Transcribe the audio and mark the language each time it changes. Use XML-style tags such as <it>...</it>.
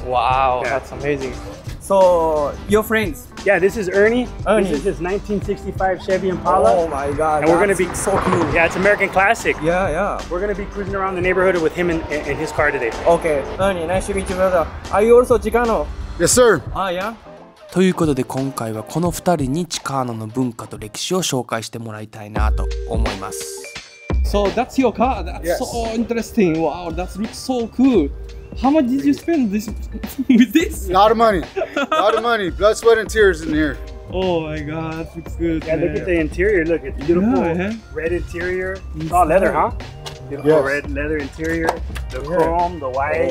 <en>Wow, yeah. That's amazing. So your friends? Yeah, this is Ernie. Ernie. This is his 1965 Chevy Impala. Oh my God. And we're going to be so cool. Yeah, it's American classic. Yeah, yeah. We're going to be cruising around the neighborhood with him and his car today. Okay. Ernie, nice to meet you, brother. Are you also Chicano? Yes, sir. Yeah?</en> <ja>ということで、今回はこの2人にチカーノの文化と歴史を紹介してもらいたいなと思います。</ja> <en>So that's your car? That's yes. So interesting. Wow, that looks so cool. How much did you spend this with this? Lot of money. Lot of money. Blood, sweat and tears in here. Oh my God, that looks good. Yeah, look at the interior. Look, it's beautiful. Yeah, red interior. It's all leather, huh? Yes. Red leather interior. The chrome, the white.</en>